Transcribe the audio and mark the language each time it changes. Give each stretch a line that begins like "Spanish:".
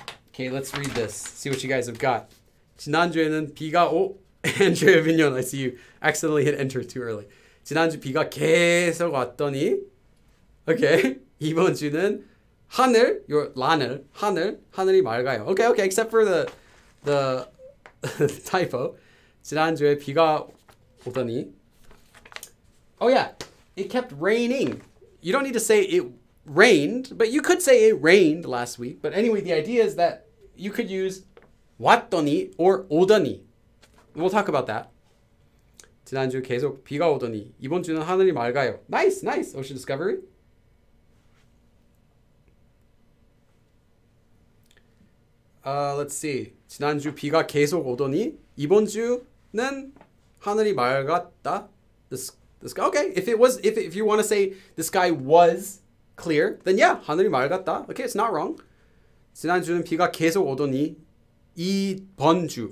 English: Okay, let's read this. See what you guys have got.
Korean: 지난주에는 비가 오.
English: Andrea Vignon, I see you accidentally hit enter too early.
Korean: 지난주 비가 계속 왔더니.
English: Okay.
Korean: 이번주는 하늘,
English: your
Korean: 라늘, 하늘, 하늘이 맑아요.
English: Okay, except for the typo.
Korean: 지난주에 비가 오더니.
English: Oh yeah, it kept raining. You don't need to say it rained, but you could say it rained last week. But anyway, the idea is that you could use 왔더니 or 오더니. We'll talk about that.
Korean: 지난주 계속 비가 오더니 이번주는 하늘이 맑아요.
English: Nice, Ocean Discovery. Let's see.
Korean: 지난주 비가 계속 오더니 이번 주는 하늘이 맑았다.
English: The sky. Okay. If you want to say the sky was clear, then yeah,
Korean: 하늘이 맑았다.
English: Okay, it's not wrong.
Korean: 지난주는 비가 계속 오더니 이번 주.